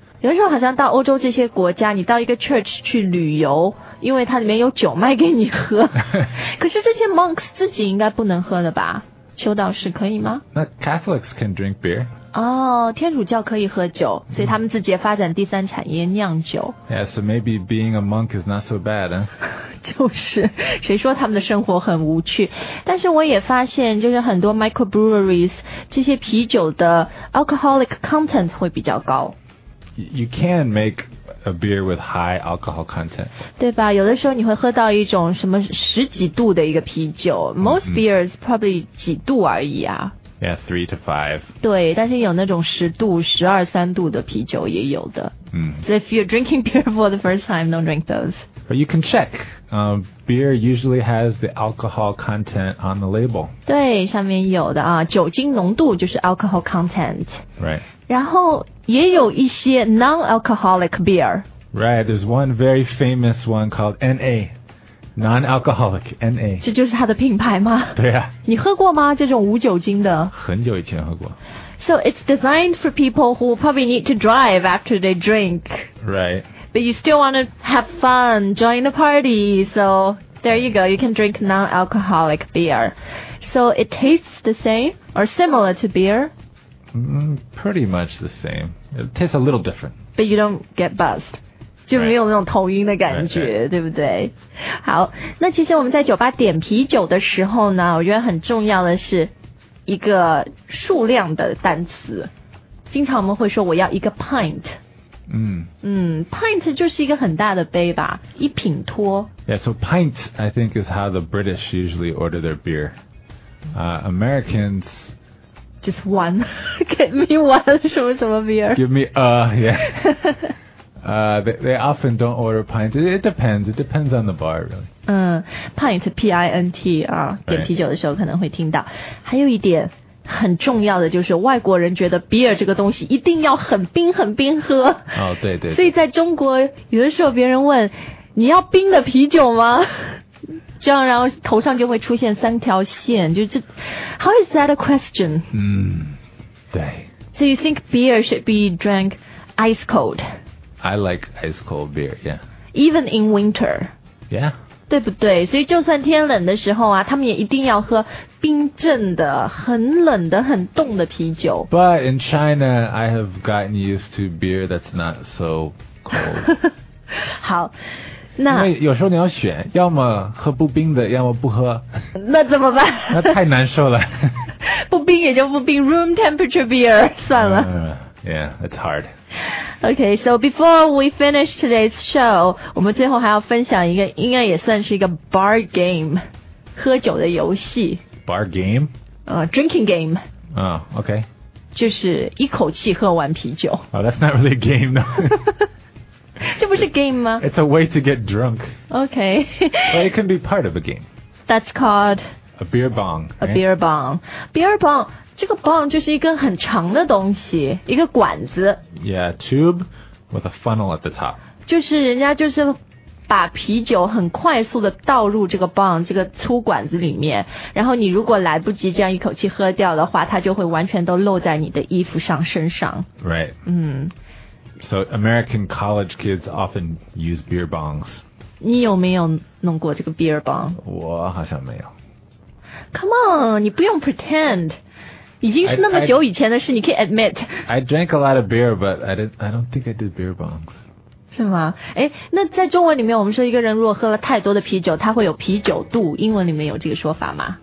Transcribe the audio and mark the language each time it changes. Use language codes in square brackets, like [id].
[zh] 有的时候好像到欧洲这些国家，你到一个 church 去旅游，因为它里面有酒卖给你喝。可是这些 monks 自己应该不能喝的吧？修道士可以吗？ [en] 那 Catholics can drink beer. [zh] 哦，天主教可以喝酒，所以他们自己也发展第三产业酿酒。 [en] Yeah, so maybe being a monk is not so bad, huh? [zh] 就是，谁说他们的生活很无趣？但是我也发现，就是很多 microbreweries 这些啤酒的 alcoholic content 会比较高。 [en] You can make a beer with high alcohol content. [zh] 对吧，有的时候你会喝到一种什么十几度的一个啤酒。 [en] Most beers probably [zh] 几度而已啊。 [en] Yeah, 3 to 5. [zh] 对，但是有那种十度、十二三度的啤酒也有的。 [en] So if you're drinking beer for the first time, don't drink those. But you can check. Beer usually has the alcohol content on the label. [zh] 对，上面有的啊，酒精浓度就是 alcohol content. [en] Right. [zh] 然后也有一些 non-alcoholic beer. [en] Right, there's one very famous one called NA. Non-alcoholic, NA. [zh] 这就是它的品牌吗？对啊。你喝过吗？这种无酒精的？很久以前喝过。 [en] So it's designed for people who probably need to drive after they drink. Right. But you still want to have fun, join the party. So there you go, you can drink non-alcoholic beer. So it tastes the same or similar to beer? Pretty much the same. It tastes a little different. But you don't get buzzed. [zh] 就没有那种头晕的感觉 right. 对不对？好，那其实我们在酒吧点啤酒的时候呢，我觉得很重要的是一个数量的单词，经常我们会说我要一个 pint。 Pint 就是一个很大的杯吧，一品托。 [en] Yeah, so pint, I think, is how the British usually order their beer. Americans... Just one. Give me one, [zh] 什么什么 [en] beer. Give me a, yeah. they often don't order pint. It depends. It depends on the bar, really. [zh] Pint, P-I-N-T, 啊、点啤酒的时候可能会听到。还有一点很重要的就是外国人觉得 beer 这个东西一定要很冰很冰喝。哦、oh, 对, 对对。所以在中国有的时候别人问你要冰的啤酒吗，这样然后头上就会出现三条线，就是 [en] How is that a question? [zh] 嗯对。 [en] So you think beer should be drank ice cold? I like ice cold beer, yeah. Even in winter? Yeah. [zh] 对不对？所以就算天冷的时候啊，他们也一定要喝冰镇的、很冷的、很冻的啤酒。 [en] But in China, I have gotten used to beer that's not so cold. [zh] 好，那因为有时候你要选，要么喝不冰的，要么不喝。那怎么办？那太难受了。不冰也就不冰 ， [en] room temperature beer [zh] 算了。 [en] Yeah, it's hard. Okay, so before we finish today's show, [zh] 我们最后还要分享一个应该也算是一个 bar game, 喝酒的游戏。 [en] Bar game? Drinking game. Oh, okay. [zh] 就是一口气喝完啤酒。 [en] Oh, that's not really a game, no. [zh] 这不是 game 吗？ [en] It's a way to get drunk. Okay. But it can be part of a game. That's called... A beer bong.、Right? A beer bong. Beer bong... [zh] 这个 bong 就是一根很长的东西，一个管子。 [en] Yeah, tube with a funnel at the top. [zh] 就是人家就是把啤酒很快速的倒入这个 bong 这个粗管子里面，然后你如果来不及这样一口气喝掉的话，它就会完全都漏在你的衣服上、身上。 [en] Right. 嗯。 So American college kids often use beer bongs. [zh] 你有没有弄过这个 beer bong? 我好像没有。 [en] Come on, [zh] 你不用 [en] pretend. [zh] 已经是那么久以前的事 你可以 admit. [en] I drank a lot of beer, but I don't think I did beer bongs. [zh] 是吗？诶，那在中文里面我们说一个人如果喝了太多的啤酒，他会有啤酒肚，英文里面有这个说法吗？